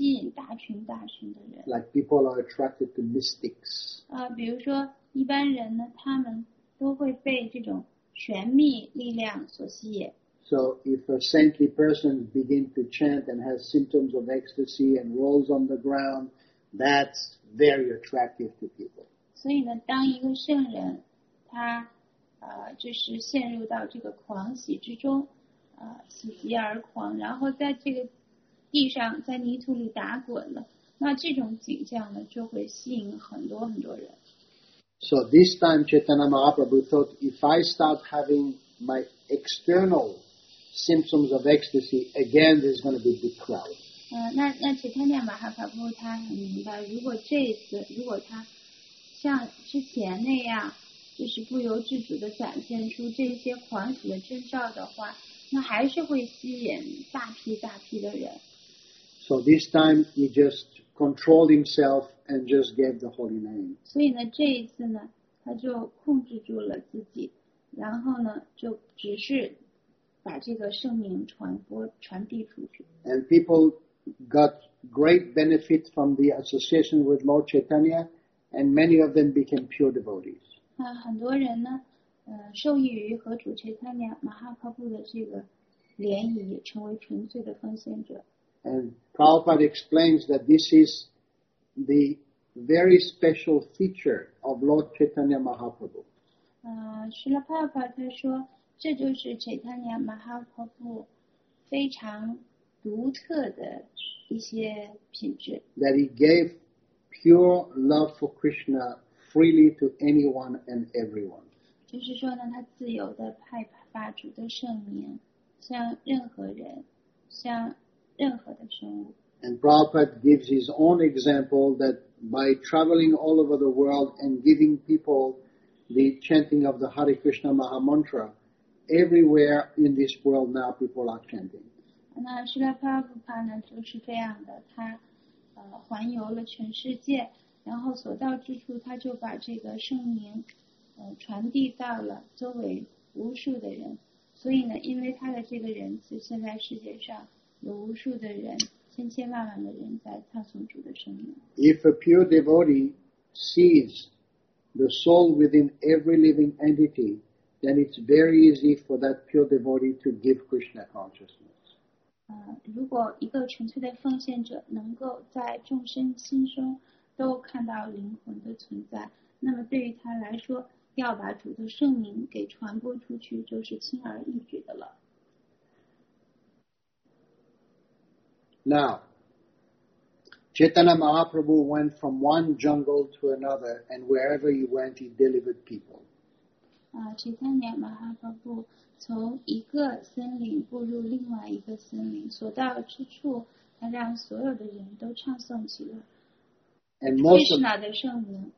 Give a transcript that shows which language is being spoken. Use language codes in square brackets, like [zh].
[zh] 那么一个圣人他身上所表现出来的一些非同寻常的那些表现或者举动，往往会吸引大群大群的人。 [en] Like people are attracted to mystics. [zh] 比如说一般人呢，他们都会被这种玄秘力量所吸引。 [en] So if a saintly person begins to chant and has symptoms of ecstasy and rolls on the ground, that's very attractive to people. [zh] 所以呢，当一个圣人 他就是陷入到这个狂喜之中，喜极而狂，然后在这个地上在泥土里打滚了。那这种景象呢，就会吸引很多很多人。 [en] So this time Chaitanya Mahaprabhu thought, if I start having my external symptoms of ecstasy again, there's going to be a big crowd. [zh] 那Chaitanya Mahaprabhu他很明白，如果这次如果他像之前那样就是不由自主地展现出这些欢喜的征兆的话，那还是会吸引大批大批的人。 [en] So this time he just controlled himself and just gave the holy name. [zh] 所以呢，这一次呢，他就控制住了自己，然后呢，就只是把这个圣名传递出去。 [en] And people got great benefit from the association with Lord Chaitanya, and many of them became pure devotees. [zh] 那很多人呢，受益于和主 Chaitanya Mahaprabhu 的这个联谊，成为纯粹的奉献者。 [en] And Prabhupada explains that this is the very special feature of Lord Chaitanya Mahaprabhu. [zh] Srila Prabhupada 他说，这就是 Chaitanya Mahaprabhu 非常独特的一些品质。 [en] That he gave pure love for Krishna freely to anyone and everyone. [zh] 就是说呢，他自由地派发主的圣名，向任何人，向任何的生物。 [en] And Prabhupada gives his own example that by traveling all over the world and giving people the chanting of the Hare Krishna Maha Mantra, everywhere in this world now people are chanting. [zh] 那Srila Prabhupada呢，就是这样的，他环游了全世界，然后所到之处他就把这个圣名传递到了周围无数的人。所以呢，因为他的这个仁慈，现在世界上有无数的人，千千万万的人在唱诵主的圣名。 [en] If a pure devotee sees the soul within every living entity, then it's very easy for that pure devotee to give Krishna consciousness. [zh] 如果一个纯粹的奉献者能够在众生心中都看到灵魂的存在，那么对于他来说，要把主的圣名给传播出去，就是轻而易举的了。 [en] Now, Chaitanya Mahaprabhu went from one jungle to another, and wherever he went, he delivered people. [zh] Chaitanya Mahaprabhu 从一个森林步入另外一个森林，所到之处，他让所有的人都唱诵起了 Krishna 的圣名。